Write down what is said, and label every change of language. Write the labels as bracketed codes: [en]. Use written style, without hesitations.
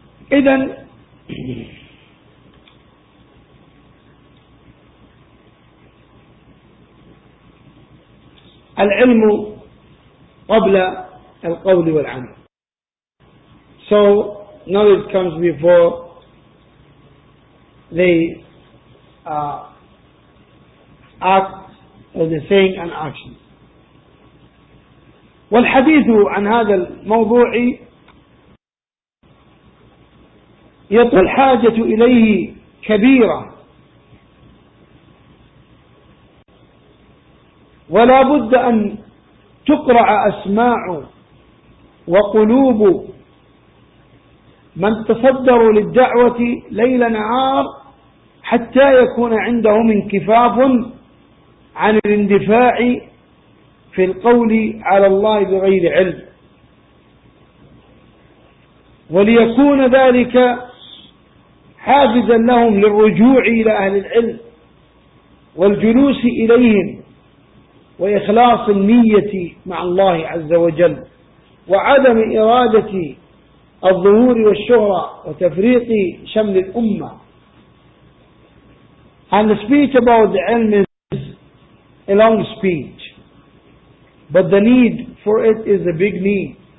[ar] Then العلم قبل القول والعمل. [en] So knowledge comes before the act or the saying and action. [ar] والحديث عن هذا الموضوع يطل حاجة إليه كبيرة، ولا بد أن تقرع أسماع وقلوب من تصدروا للدعوة ليل نهار حتى يكون عندهم انكفاف عن الاندفاع في القول على الله بغير علم، وليكون ذلك حافزا لهم للرجوع إلى أهل العلم والجلوس إليهم وإخلاص النية مع الله عز وجل وعدم إرادة الظهور والشهرة وتفريق شمل الأمة. [en] And the speech about the ilm is a long speech, but the need for it is a big need.